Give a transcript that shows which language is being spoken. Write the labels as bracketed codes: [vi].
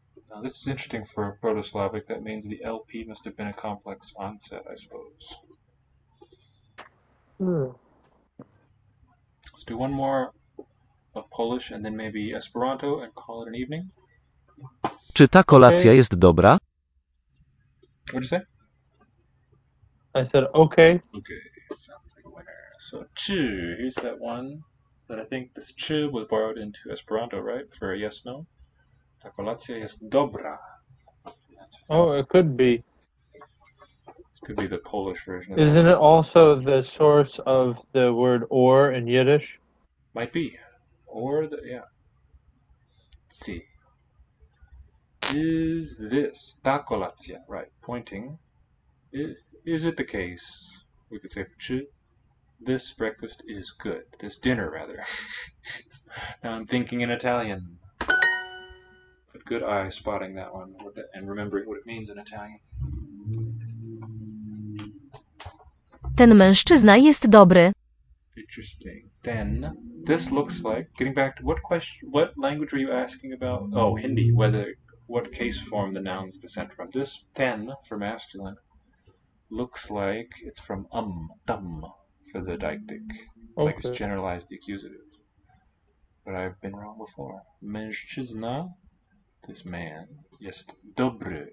[en] Now this is interesting for a Proto-Slavic. That means the LP must have been a complex onset, I suppose. Let's do one more of Polish and then maybe Esperanto and call it an evening. [pl] Czy ta kolacja jest dobra? [en] What'd you say? I said okay. Okay, sounds like a winner. So czy, here's that one. That I think this ch was borrowed into Esperanto, right? For a yes, no? [pl] Ta kolacja jest dobra. [en] Oh, it could be. This could be the Polish version of that. Isn't it also the source of the word or in Yiddish? Might be. Or the, yeah. Let's see. Is this ta kolacja, right? Pointing. Is it the case, we could say for ch, This breakfast is good. This dinner, rather. Now I'm thinking in Italian. But good eye spotting that one and remembering what it means in Italian. [pl] Ten mężczyzna jest dobry. [en] Interesting. Then, this looks like, getting back to what question, what language are you asking about? Oh, Hindi, whether, what case form the noun is descent from. This ten, for masculine, looks like it's from dum, for the deictic. Okay. Like it's generalized the accusative. But I've been wrong before. [pl] Mężczyzna, [en] this man, [pl] jest dobry.